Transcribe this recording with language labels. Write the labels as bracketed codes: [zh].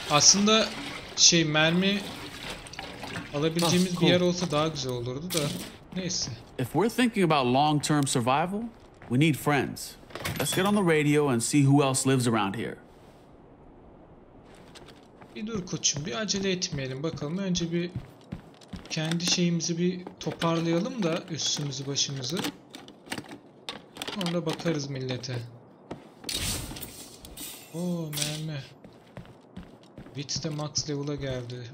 [tr] Aslında şey, mermi alabileceğimiz bir yer olsa daha güzel olurdu da. Neyse. [en] If we're thinking about long-term survival, we need friends. Let's get on the radio and see who else lives around here. [tr] Bir dur koçum, bir acele etmeyelim bakalım. Önce bir kendi şeyimizi bir toparlayalım da üstümüzü başımızı. Sonra bakarız millete. Oo, mermi. Wit de max level'a geldi.